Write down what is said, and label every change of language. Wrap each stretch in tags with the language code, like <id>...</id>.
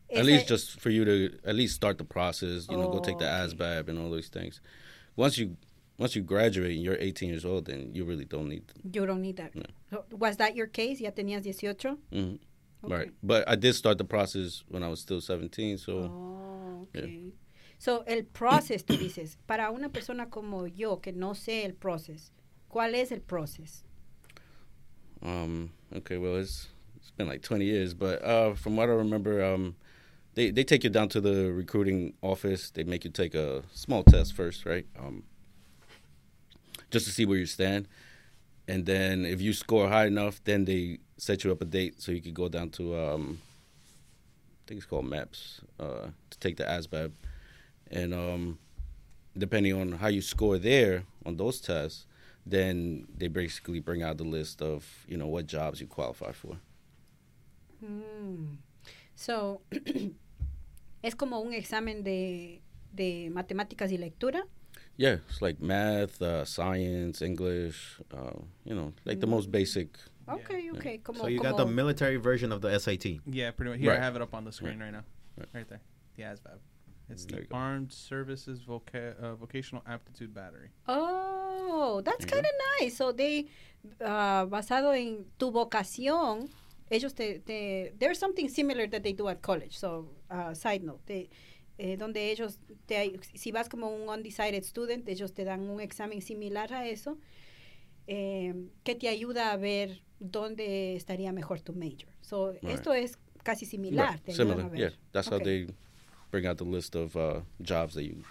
<en>At least just for you to at least start the process, you know, go take the ASVAB and all those things. Once you graduate and you're 18 years old, then you really don't need them. You don't need that. No. So, was that your case?</en> <es>¿Ya tenías 18?</es> <en>Mm-hmm. Okay. Right, but I did start the process when I was still 17, so. Oh, okay. Yeah.</en> <es>So, el proceso, tú dices, para una persona como yo que no sé el proceso, ¿cuál es el proceso?</es> <en>It's been like 20 years, but from what I remember, they take you down to the recruiting office. They make you take a small test first, right? Just to see where you stand. And then if you score high enough, then they set you up a date so you could go down to, I think it's called MAPS, to take the ASVAB. And depending on how you score there on those tests, then they basically bring out the list of, you know, what jobs you qualify for.</en> <es>So, es como un examen de matemáticas y lectura.</es> <en>Yeah, it's like math, science, English, you know, like the most basic. Okay. Yeah. So you got the military version of the SAT. Yeah, pretty much. Here, right. I have it up on the screen right now. Right there, the ASVAB. It's the Armed Services Vocational Aptitude Battery. Oh, that's kind of nice. So they,</en> <es>basado en tu vocación, ellos te</es> <en>there's something similar that they do at college. So, side note, they...</en> <es>donde ellos, si vas como un undecided student, ellos te dan un examen similar a eso, que te ayuda a ver dónde estaría mejor tu major. So, right. Esto es casi similar.</es> <en>Right. Similar, yeah. That's how they bring out the list of jobs that you...</en>